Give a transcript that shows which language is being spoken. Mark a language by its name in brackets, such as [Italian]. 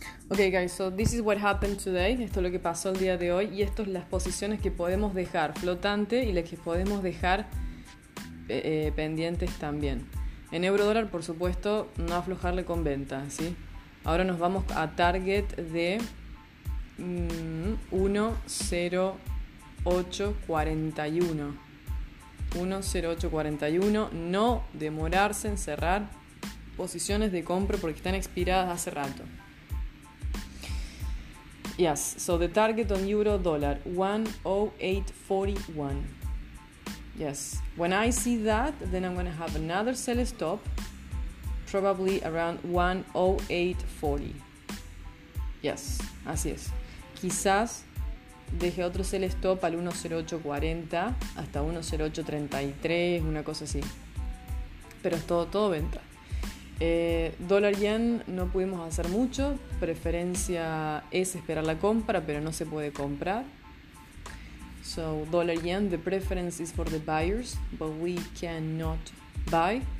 [English] Okay guys, so this is what happened today. [Spanish] Esto es lo que pasó el día de hoy y estas son las posiciones que podemos dejar flotante y las que podemos dejar pendientes también. En euro dólar, por supuesto, no aflojarle con venta, ¿sí? Ahora nos vamos a target de 10841. 10841, no demorarse en cerrar posiciones de compra porque están expiradas hace rato. [English] Yes, so the target on euro dollar 10841. Yes, when I see that, then I'm going to have another sell stop, probably around 10840. [Spanish] Yes, así es. Quizás deje otro sell stop al 10840 hasta 10833, una cosa así. Pero es todo venta. Dólar yen no pudimos hacer mucho. Preferencia es esperar la compra, pero no se puede comprar. [English] So, dólar yen, the preference is for the buyers, but we cannot buy.